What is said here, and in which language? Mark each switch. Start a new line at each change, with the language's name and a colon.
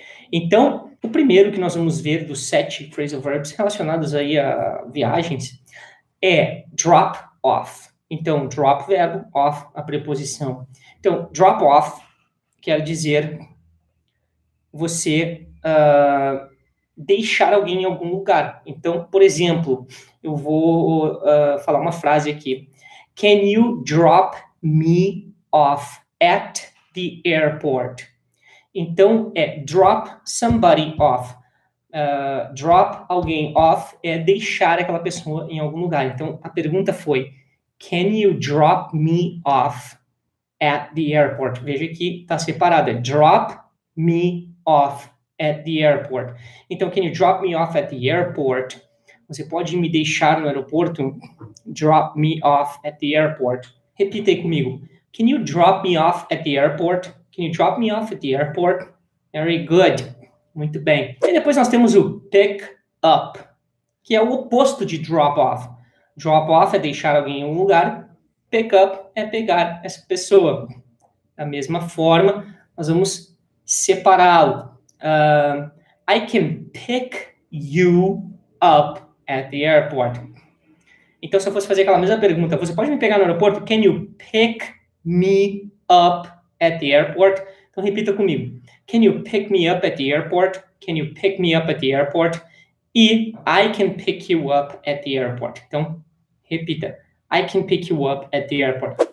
Portuguese: Então, o primeiro que nós vamos ver dos 7 phrasal verbs relacionados aí a viagens é drop off. Então, drop, verbo, off, a preposição. Então, drop off quer dizer você deixar alguém em algum lugar. Então, por exemplo, eu vou falar uma frase aqui.
English: Can you drop me off at the airport?
Portuguese: Então, é drop somebody off. Drop alguém off é deixar aquela pessoa em algum lugar. Então, a pergunta foi,
English: can you drop me off at the airport?
Portuguese: Veja que está separada.
English: Drop me off at the airport. Então, can you drop me off at the airport?
Portuguese: Você pode me deixar no aeroporto?
English: Drop me off at the airport.
Portuguese: Repita aí comigo.
English: Can you drop me off at the airport? Can you drop me off at the airport? Very good.
Portuguese: Muito bem. E depois nós temos o pick up, que é o oposto de drop off. Drop off é deixar alguém em lugar. Pick up é pegar essa pessoa. Da mesma forma, nós vamos separá-lo.
English: I can pick you up at the airport.
Portuguese: Então, se eu fosse fazer aquela mesma pergunta, você pode me pegar no aeroporto?
English: Can you pick me up at the airport?
Portuguese: Então, repita comigo.
English: Can you pick me up at the airport? Can you pick me up at the airport? E I can pick you up at the airport.
Portuguese: Então, repita.
English: I can pick you up at the airport.